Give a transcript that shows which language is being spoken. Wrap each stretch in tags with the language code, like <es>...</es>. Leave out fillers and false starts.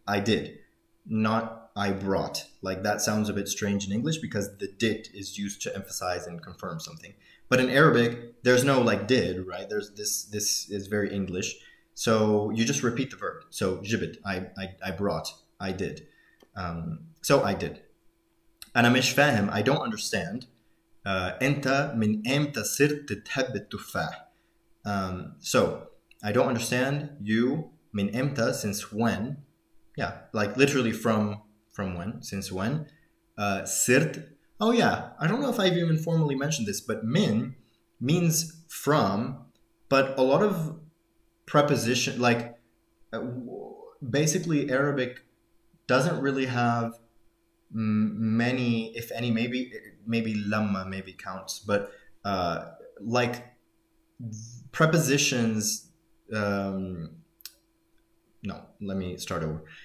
<en>"I did," not "I brought." Like, that sounds a bit strange in English because the "did" is used to emphasize and confirm something. But in Arabic, there's no like "did," right? There's this is very English. So you just repeat the verb. So "jibit," I brought, I did. So I did.</en> <ar>أنا مش فاهم,</ar> <en>I don't understand.</en> <ar>أنت من أمتى صرت تحب التفاح.</ar> <en>So I don't understand you</en> <ar>من أمتى,</ar> <en>since when. Yeah, like literally from when, since when.</en> <ar>صرت.</ar> <en>Oh yeah, I don't know if I've even formally mentioned this, but min means from, but a lot of preposition, like basically Arabic doesn't really have many, if any, maybe lamma maybe counts, but like prepositions, no, let me start over.</en>